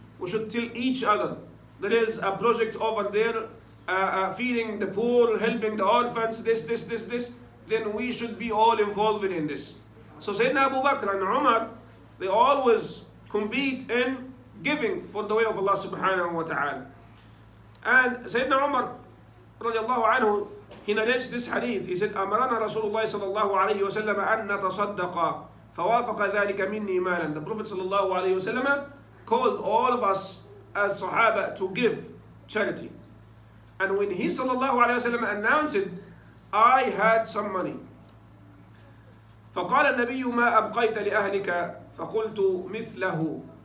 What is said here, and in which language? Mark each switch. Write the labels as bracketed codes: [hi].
[en] We should tell each other, there is a project over there, feeding the poor, helping the orphans, this. Then we should be all involved in this. So Sayyidina Abu Bakr and Umar, they always compete in giving for the way of Allah subhanahu wa ta'ala. And Sayyidina Umar radiallahu anhu, he narrates this hadith. He said, [ar] أَمَرَنَا رَسُولُ اللَّهِ صَلَى اللَّهُ عَلَيْهِ وَسَلَّمَ أَنَّ تَصَدَّقَ فَوَافَقَ ذَلِكَ مِنِّي مَالًا. [en] The Prophet صلى الله عليه وسلم called all of us as Sahaba to give charity. And when he صلى الله عليه وسلم announced it, I had some money. [ar] فَقَالَ النَّبِيُّ مَا أَبْقَيْتَ لِأَهْلِكَ فَقُلْتُ مِثْلَهُ.